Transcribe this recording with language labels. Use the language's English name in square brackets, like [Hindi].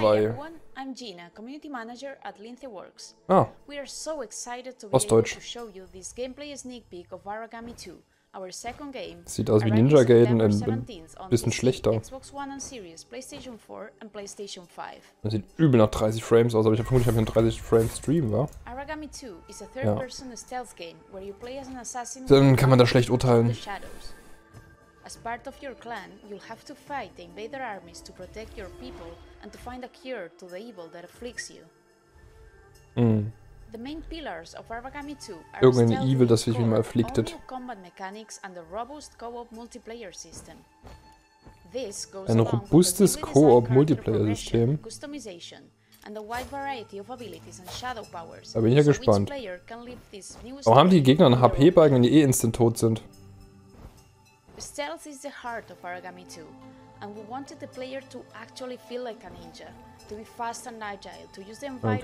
[English] Hi everyone, I'm Gina, Community Manager at Linthe Works. Ah. We are so excited to [German] Ostdeutsch. [English] Be able to show you this gameplay sneak peek of Aragami 2. Our second game. [German] Sieht aus wie Ninja Gaiden, ein bisschen schlechter. [English] Xbox One and Series, PlayStation 4 and PlayStation 5. [German] Das sieht übel nach 30 Frames aus, aber ich habe vermutlich einen 30 Frames Stream, wa? [English] Aragami 2 is a third person stealth game where you play as an assassin. [German] Dann kann man da schlecht urteilen. [English] As part of your clan, you'll have to fight the invader armies to protect your people and to find a cure to the evil that afflicts you. Mm. The main pillars of Aragami 2 are [German] irgendein Evil, das sich mir mal afflicted. [English] Combat mechanics and a robust co-op multiplayer system. [German] This goes ein robustes co-op multiplayer system. [English] Customization and a wide variety of abilities and shadow powers. [German] Da bin ich ja gespannt. Warum haben die Gegner einen HP-Balken, wenn die instant tot sind? [English] Stealth is the heart of Aragami 2, and we wanted the player to actually feel like a ninja, to be fast and agile, to use the environment